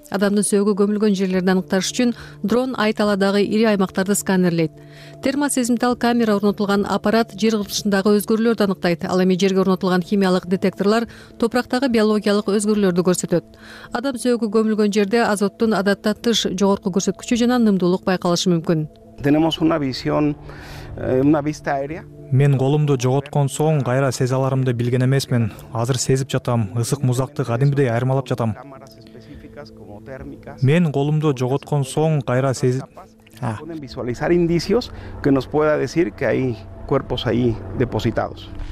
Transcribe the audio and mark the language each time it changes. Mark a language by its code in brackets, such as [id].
[ky] Адамдын сөөгү көмүлгөн жерлерди аныкташ үчүн дрон айталадагы ири аймактарды сканерлейт. Термосезимтал камера орнотулган аппарат жер кыртышындагы өзгөрүүлөрдү аныктайт. Ал эми жерге орнотулган химиялык детекторлор топурактагы биологиялык өзгөрүүлөрдү көрсөтөт. Адам сөөгү көмүлгөн жерде азоттун адатта тыш жогорку көрсөткүчү жана нымдуулук байкалышы мүмкүн. [es] Tenemos una visión, una vista aérea. [ky] Мен колумду жоготкон соң кайра сезе аларымды билген эмесмин. Азыр сезип жатам, ысык музакты кадимдей айырмалап жатам. Мен колумду жоготкон соң кайра сезип [es] pueden visualizar indicios que nos pueda decir que hay cuerpos ahí depositados.